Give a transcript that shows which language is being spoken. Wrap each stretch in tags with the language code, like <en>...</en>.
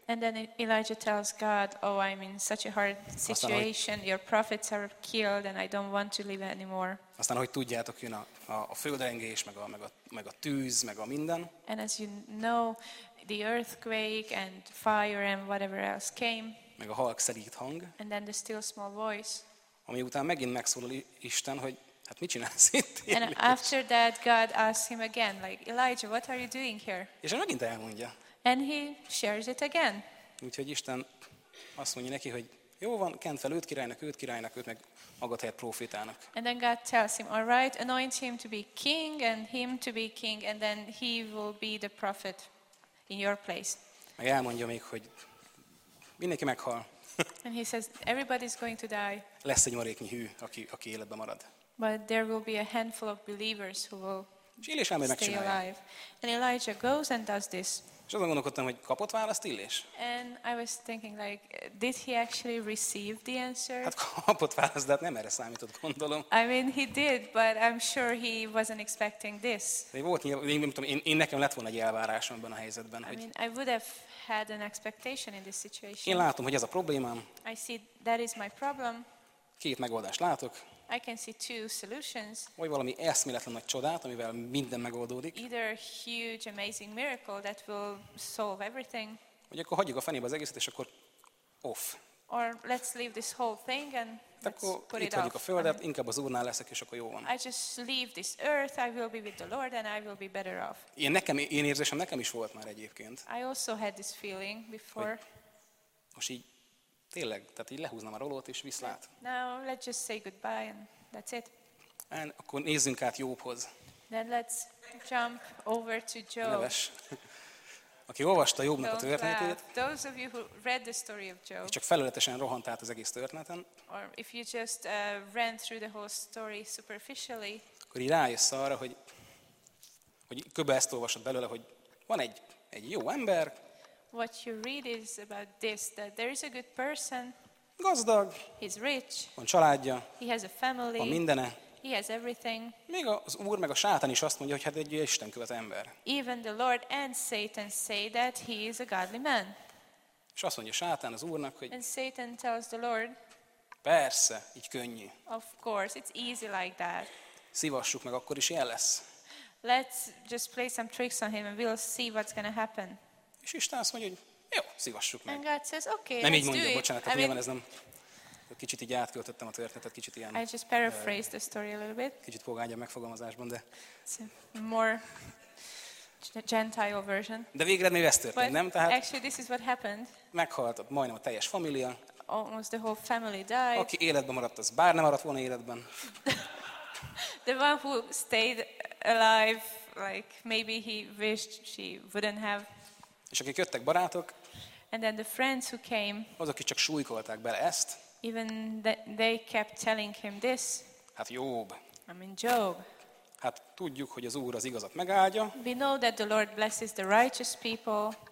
<en>And then Elijah tells God, oh, I'm in such a hard situation,</en> <hu>aztán,</hu> <en>your prophets are killed, and I don't want to live anymore.</en> <hu>Aztán, hogy tudjátok, jön a földrengés, meg a tűz, meg a minden.</hu> <en>And as you know, the earthquake and fire and whatever else came.</en> <hu>Meg a halk szelíd hang.</hu> <en>And then the still small voice.</en> <hu>Ami után megint megszólal Isten, hogy hát mit csinálsz itt?</hu> <en>And after that God asks him again, like, Elijah, what are you doing here?</en> <hu>És megint elmondja.</hu> <en>And he shares it again.</en> <hu>Úgyhogy Isten azt mondja neki, hogy jó van, kent fel őt királynak, őt meg magad helyett prófétának.</hu> <en>And then God tells him, all right, anoint him to be king, and him to be king, and then he will be the prophet in your place.</en> <hu>Meg elmondja még, hogy mindenki meghal.</hu> <en>And he says, everybody's going to die.</en> <hu>Lesz egy maréknyi hű, aki életben marad.</hu> <en>But there will be a handful of believers who will stay alive. And Elijah goes and does this.</en> <hu>És azon gondolkodtam, hogy kapott választ Illés?</hu> <en>And I was thinking like, did he actually receive the answer?</en> <hu>Hát kapott választ, de hát nem erre számított, gondolom.</hu> <en>I mean, he did, but I'm sure he wasn't expecting this.</en> <hu>De volt, én nekem lett volna egy elvárásom ebben a helyzetben, hogy...</hu> <en>I mean, I would have had an expectation in this situation.</en> <hu>Én látom, hogy ez a problémám.</hu> <en>I see that is my problem.</en> <hu>Két megoldást látok.</hu> <en>I can see two solutions.</en> <hu>Vagy valami eszméletlen nagy csodát, amivel minden megoldódik.</hu> <en>Either a huge amazing miracle that will solve everything.</en> <hu>Vagy akkor hagyjuk a fenébe az egészet, és akkor off.</hu> <en>Or let's leave this whole thing and let's</en> <hu>akkor</hu> <en>put</en> <hu>itt</hu> <en>it</en> <hu>hagyjuk</hu> <en>off.</en> <hu>A földet,</hu> <en>I mean,</en> <hu>inkább az Úrnál leszek, és akkor jó van.</hu> <en>I just leave this earth, I will be with the Lord and I will be better off.</en> <hu>Igen, nekem, én érzésem nekem is volt már egyébként.</hu> <en>I also had this feeling before.</en> <hu>Hogy most így tényleg, tehát így lehúznám a rolót és viszlát.</hu> <en>Now let's just say goodbye and that's it.</en> <hu>And akkor nézzünk át Jobhoz.</hu> <en>Then let's jump over to Job.</en> <hu>Neves. Aki olvasta Jobnak a történetét.</hu> <en>Those of you who read the story of Job.</en> <hu>Csak felületesen rohant át az egész történeten.</hu> <en>Or if you just ran through the whole story superficially.</en> <hu>Akkor így rájössz arra, hogy köbben ezt olvasod belőle, hogy van egy jó ember.</hu> <en>What you read is about this, that there is a good person.</en> <hu>Gazdag.</hu> <en>He's rich.</en> <hu>Van családja.</hu> <en>He has a family.</en> <hu>Van mindene.</hu> <en>He has everything.</en> <hu>Még az Úr meg a Sátán is azt mondja, hogy hát egy istenkövető ember.</hu> <en>Even the Lord and Satan say that he is a godly man.</en> <hu>És azt mondja Sátán az Úrnak, hogy</hu> <en>and Satan tells the Lord.</en> <hu>Persze, így könnyű.</hu> <en>Of course, it's easy like that.</en> <hu>Szivassuk meg, akkor is ilyen lesz.</hu> <en>Let's just play some tricks on him and we'll see what's going to happen.</en> <hu>És Isten azt mondja, hogy jó, szívassuk meg.</hu> <en>And God says, okay,</en> <hu>nem így mondja, bocsánat, tehát nyilván ez nem... Kicsit így átköltöttem a történetet, kicsit ilyen...</hu> <en>I just paraphrased the story a little bit.</en> <hu>Kicsit fogány a megfogalmazásban, de...</hu> <en>It's a more gentile version.</en> <hu>De végre még ez történt,</hu> <en>but</en> <hu>nem? Tehát</hu> <en>actually, this is what happened.</en> <hu>Meghalt majdnem a teljes família.</hu> <en>Almost the whole family died.</en> <hu>Aki életben maradt, az bár nem maradt volna életben.</hu> <en>The one who stayed alive, like maybe he wished she wouldn't have...</en> <hu>És akik jöttek barátok,</hu> <en>and then the friends who came,</en> <hu>azok, akik csak súlykolták bele ezt,</hu> <en>even they kept telling him this,</en> <hu>hát Job,</hu> <en>I mean Job,</en> <hu>hát tudjuk, hogy az Úr az igazat megáldja,</hu> <en>we know that the Lord blesses the righteous people,</en>